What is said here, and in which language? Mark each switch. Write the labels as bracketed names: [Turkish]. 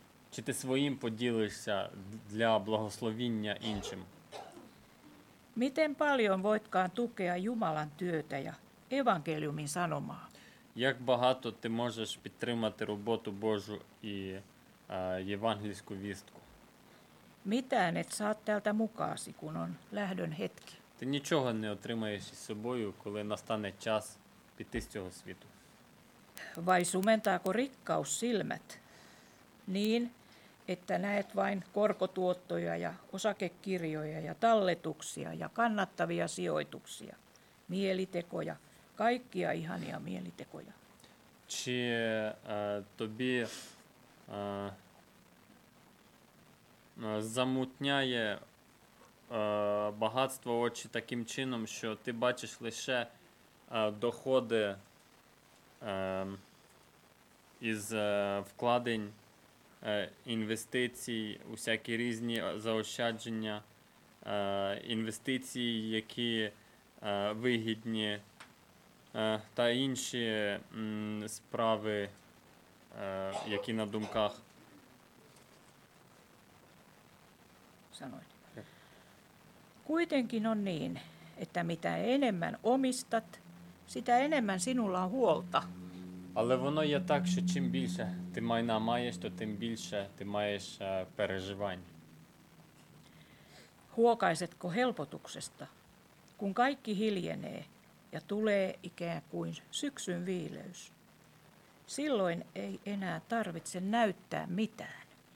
[Ukrainian] Чи ти своїм поділишся для благословіння іншим? [Finnish] Miten paljon voitkaan tukea Jumalan työtä ja evankeliumin sanomaa? [Ukrainian] Як багато ти можеш підтримати роботу Божу і євангельську вістку? [Finnish] Mitään et saa täältä mukaasi, kun on lähdön hetki. [Ukrainian] Ти нічого не отримаєш із собою, коли настане час піти з цього світу. [Finnish] Vai sumentaako rikkaus silmät niin, että näet vain korkotuottoja ja osakekirjoja ja talletuksia ja kannattavia sijoituksia, mielitekoja, kaikkia ihania mielitekoja. [Ukrainian] Чи тобі замутняє багатство очі таким чином, що ти бачиш лише доходи із вкладень, інвестицій, усякі різні заощадження, інвестиції, які вигідні, та інші справи, які на думках. [Finnish] Sanoit. Kuitenkin on niin, että mitä enemmän omistat, sitä enemmän sinulla on huolta. [Ukrainian] Але воно є так, що чим більше ти майна маєш, то тим більше ти маєш переживань. [Finnish] Huokaisetko helpotuksesta, kun kaikki hiljenee ja tulee ikään kuin syksyn viileys? Silloin ei enää tarvitse näyttää mitään.